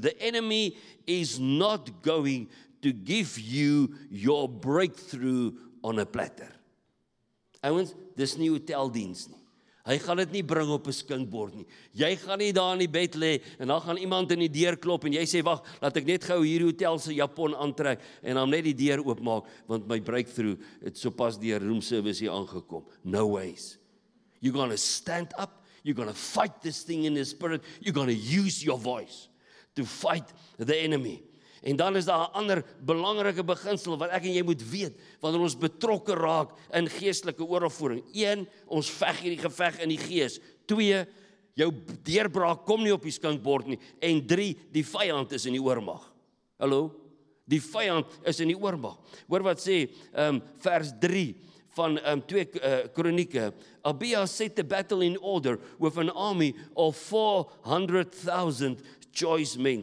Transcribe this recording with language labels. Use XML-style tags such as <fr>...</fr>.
<en>The enemy is not going to give you your breakthrough on a platter.</en> <af>Ouens, dis nie hoteldienst nie. Hy gaan dit nie bring op een skinkbord nie. Jy gaan nie daar in die bed lê en dan gaan iemand in die deur klop en jy sê, wacht, laat ek net gauw hier hotel se Japon aantrek en dan net die deur oopmaak, want my breakthrough het so pas die room service hier aangekom.</af> <en>No ways. You're gonna stand up, you're gonna fight this thing in the spirit, you're gonna use your voice to fight the enemy.</en> <af>En dan is daar een ander belangrike beginsel wat ek en jy moet weet, wanneer ons betrokke raak in geestelike oorlogvoering. 1, ons veg hierdie geveg in die gees. 2, jou deurbraak kom nie op die skinkbord nie. En 3, die vijand is in die oormag. Hallo? Die vijand is in die oormag. Hoor wat sê vers 3 van 2 Kronieke.</af> <en>Abia set the battle in order with an army of 400,000 choice men.</en>